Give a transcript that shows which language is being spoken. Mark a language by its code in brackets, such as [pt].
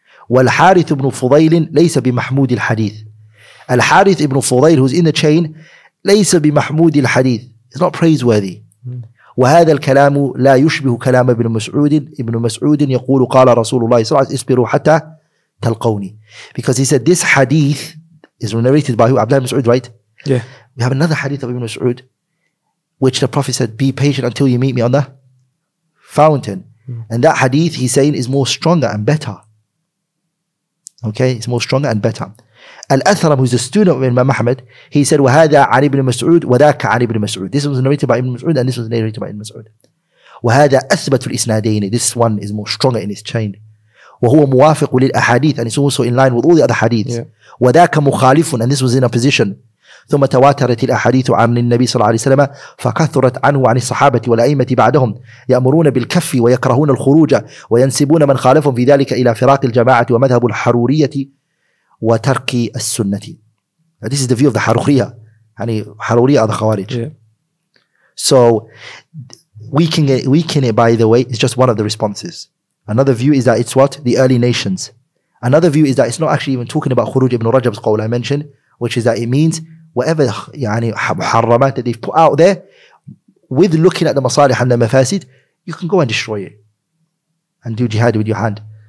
[ar] والحارث بن فضيل ليس بمحمود الحديث. الحارث بن فضيل, [en] who's in the chain, [ar] ليس بمحمود الحديث. [en] It's not praiseworthy. [ar] وهذا الكلام لا يشبه كلام ابن مسعود. ابن مسعود يقول قال رسول الله صلى الله عليه وسلم اصبروا حتى تلقوني. [en] Because he said this hadith is narrated by who? Abdullah ibn Mas'ud, right? Yeah. We have another hadith of Ibn Mas'ud, which the Prophet said, be patient until you meet me on the fountain. And that hadith, he's saying, is more stronger and better. Okay, it's more stronger and better. Al-Athram, who's a student of Imam Muhammad, he said, [ar] وَهَذَا عَنِ بْنِ مَسْعُودِ [en] وَذَاكَ عَنِ بْنِ مَسْعُودِ. This was narrated by Ibn Mas'ud and this was narrated by Ibn Mas'ud. [ar] وَهَذَا أَثْبَتُ الْإِسْنَادَيْنِ. [en] This one is more stronger in its chain. [ar] وَهُوَ مُوَافِقُ لِلْأَحَادِيثِ. [en] And it's also in line with all the other hadiths. Yeah. [ar] وَذَاكَ مُخَالِفٌ. [en] And this was in opposition. [ar] ثم تواترت الأحاديث عن النبي صلى الله عليه وسلم فكثرت عنه عن الصحابة والأئمة بعدهم يأمرون بالكف ويكرهون الخروج وينسبون من خالفهم في ذلك إلى فراق الجماعة ومذهب الحرورية وترك السنة. [en] This is the view of the حرورية. يعني حرورية are the خوارج. So weakening it, by the way, is just one of the responses. Another view is that it's what? The early nations. Another view is that it's not actually even talking about خروج ابن رجب's قول I mentioned, which is that it means whatever يعني حرمات that they've put out there, with looking at the مصالح and the مفاسد, you can go and destroy it and do jihad with your hand.